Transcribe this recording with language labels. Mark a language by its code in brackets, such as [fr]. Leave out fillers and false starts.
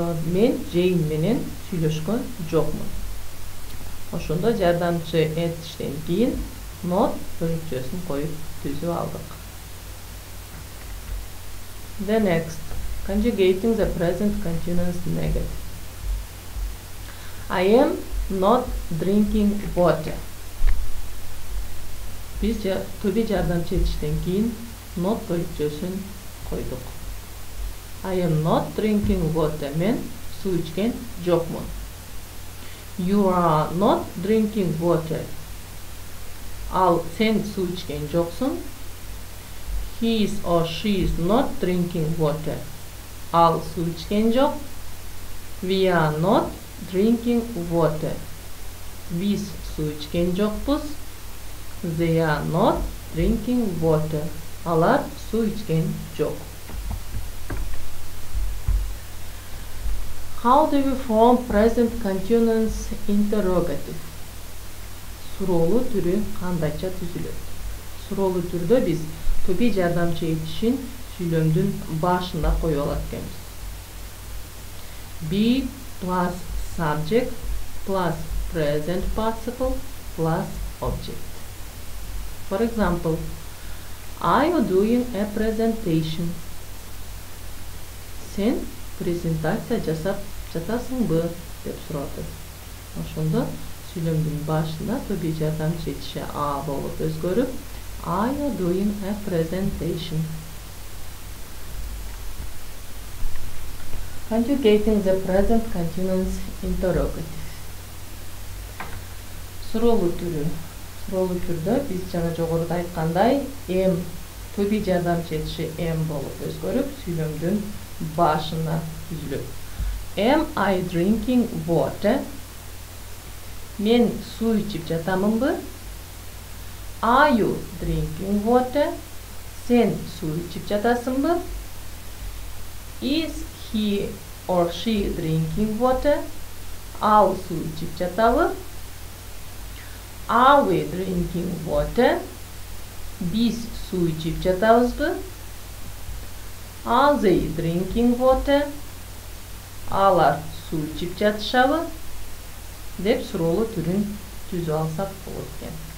[ky] Мен Джейн менен сүйлөшкөн жокмун. Ошондо жардамчы этишен кийин нот бөлүкчөсүн коюп түзүп алдык. [en] The next, conjugating the present continuous negative. I am not drinking water. [ky] Биз төбө жардамчы этишен кийин нот бөлүкчөсүн койдук. [en] I am not drinking water. [ky] Мен суу ичкен жокмун. [en] You are not drinking water. [ky] Ал сен суу ичкен жоксун. [en] He is or she is not drinking water. [ky] Ал суу ичкен жок. [en] We are not drinking water. [ky] Биз суу ичкен жокпуз. [en] They are not drinking water. [ky] Алар суу ичкен жок. [en] How do we form present continuous interrogative? [ky] Суроолу түрү кандайча түзүлөт? Суроолу түрдө биз төбө жардамчы этишин сүйлөмдүн башында коюп алат экенбиз. [en] Be plus subject plus present participle plus object. For example, are you doing a presentation? [ky] Сен презентация жасап жатасыңбы деп сурады. Ошондо сүйлөмдүн башында төбө жардамчы этиши а болуп өзгөрүп, [en] are you doing a presentation? Conjugating the present continuous interrogative. [ky] Суроолу түрдө биз жана жогоруда айткандай эм төбө жардамчы этиши эм болуп өзгөрүп, сүйлөмдүн башына түзүлөт. [en] Am I drinking water? [ky] Мен суу ичип жатамынбы? [en] Are you drinking water? [ky] Сен суу ичип жатасыңбы? [en] Is he or she drinking water? [ky] Ал суу ичип жатабы? [en] Are we drinking water? [ky] Биз суу ичип жатабызбы? [en] Are they drinking water? [ky] Алар суу ичип жатышабы? Деп суроолу түрүн түзүп алсак болот экен.